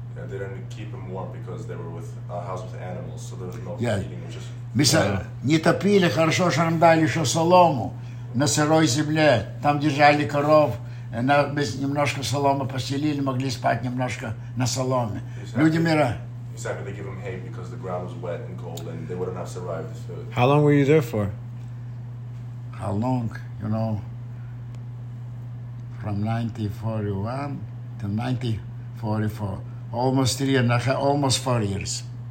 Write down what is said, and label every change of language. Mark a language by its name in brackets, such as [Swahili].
[English] Yeah, they didn't keep them warm because they were with a house with animals, so there was no heating, which is... [Russian] Не топили, хорошо, что нам дали еще солому на сырой земле. Там держали коров, мы немножко соломы поселили, могли спать немножко на соломе. [English] Exactly. [Russian] Люди мира. [English] Exactly, they give them hay because the ground was wet and cold and they wouldn't have survived the food. How long were you there for? How long, you know, from 1941 to 1944, almost 4 years.